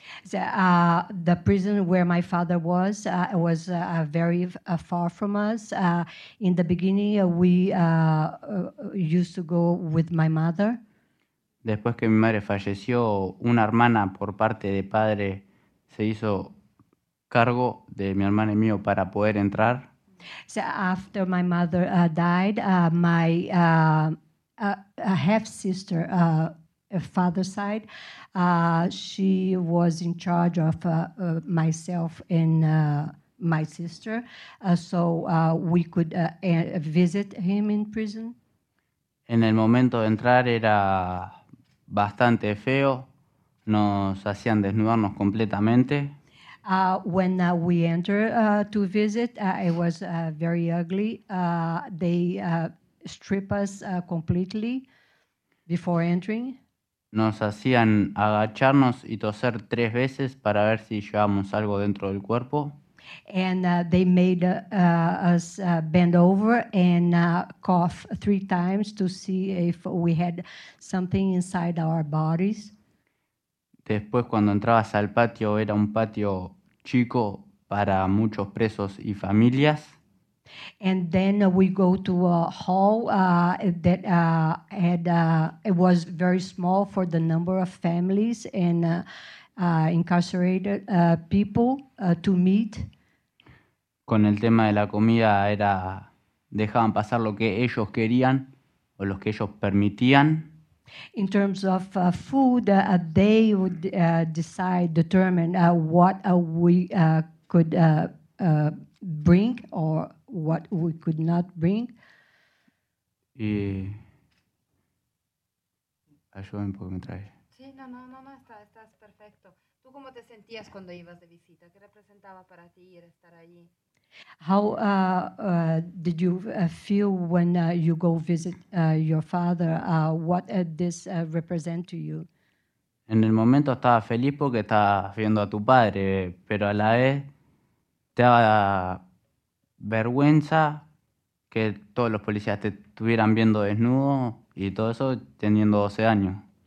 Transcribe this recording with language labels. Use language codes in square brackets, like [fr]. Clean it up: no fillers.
[en] The prison where my father was very far from us. In the beginning, we used to go with my mother. [es] Después que mi madre falleció, una hermana por parte de padre se hizo cargo de mi hermana y mío para poder entrar. [en] So after my mother died, my half sister, father's side, she was in charge of myself and my sister, so we could visit him in prison. [es] En el momento de entrar era bastante feo, nos hacían desnudarnos completamente. [en] When we entered to visit, it was very ugly. They strip us completely before entering. [es] Nos hacían agacharnos y toser tres veces para ver si llevábamos algo dentro del cuerpo. [en] And they made us bend over and cough three times to see if we had something inside our bodies. [es] Después, cuando entrabas al patio, era un patio chico para muchos presos y familias. [en] And then we go to a hall that had it was very small for the number of families and incarcerated people to meet. [es] Con el tema de la comida era dejaban pasar lo que ellos querían o lo que ellos permitían. [en] In terms of food, they would determine what we could bring or what we could not bring. [es] Ayúdame un poco, me trae. Sí, no, estás perfecto. ¿Tú cómo te sentías cuando ibas de visita? ¿Qué representaba para ti ir a estar allí? [en] How did you feel when you go visit your father? What did this represent to you? [es] En el momento estaba feliz porque estaba viendo a tu padre, pero a la vez te daba vergüenza que todos los policías te estuvieran viendo desnudo y todo eso teniendo 12 años.